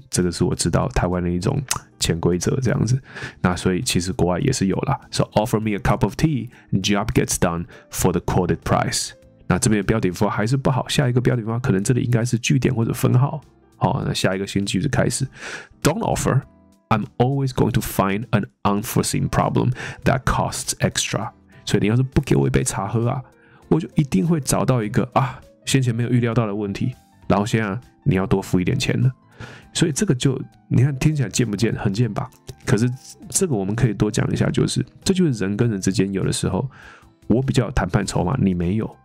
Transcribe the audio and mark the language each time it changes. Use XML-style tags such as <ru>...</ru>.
<zh>这个是我知道台湾的一种潜规则这样子。那所以其实国外也是有啦。</zh> <en>So offer me a cup of tea, job gets done for the quoted price。</en> <zh>那这边的标点符号还是不好，下一个标点符号可能这里应该是句点或者分号。好，那下一个新句子开始。</zh> <en>Don't offer, I'm always going to find an unforeseen problem that costs extra.</en> <zh>所以你要是不给我一杯茶喝啊，我就一定会找到一个啊先前没有预料到的问题，然后现在你要多付一点钱了。所以这个就你看听起来贱不贱，很贱吧。可是这个我们可以多讲一下，就是这就是人跟人之间有的时候我比较有谈判筹码，你没有。</zh>